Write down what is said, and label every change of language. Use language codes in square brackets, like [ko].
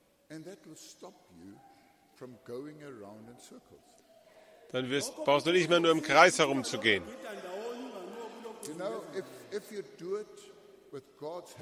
[en] And that will stop you from going around in circles. [de] Dann brauchst du nicht mehr nur im Kreis herumzugehen. [en] You know, if you do it with God's help,